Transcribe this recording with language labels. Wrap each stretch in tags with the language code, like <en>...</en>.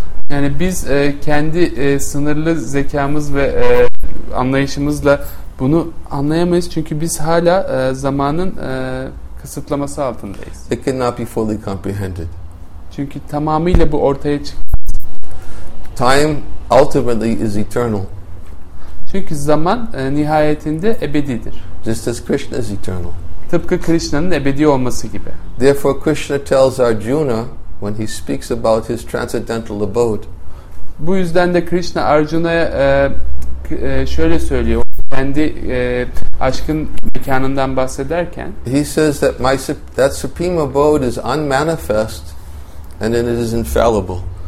<tr>Yani biz kendi sınırlı zekamız ve anlayışımızla bunu anlayamayız çünkü biz hala zamanın kısıtlaması altındayız.</tr> <en>It cannot be fully comprehended.</en> <tr>Çünkü tamamıyla bu ortaya çıkmaz.</tr> <en>Time ultimately is eternal.</en> <tr>Çünkü zaman nihayetinde ebedidir.</tr> <en>Just as Krishna is eternal.</en> <tr>Tıpkı Krishna'nın ebedi olması gibi.</tr> <en>Therefore Krishna tells Arjuna when he speaks about his transcendental abode.</en> <tr>Bu yüzden de Krishna Arjuna'ya şöyle söylüyor. Kendi aşkın mekanından bahsederken</tr> <en>he says that that supreme abode is unmanifest and it is infallible.</en>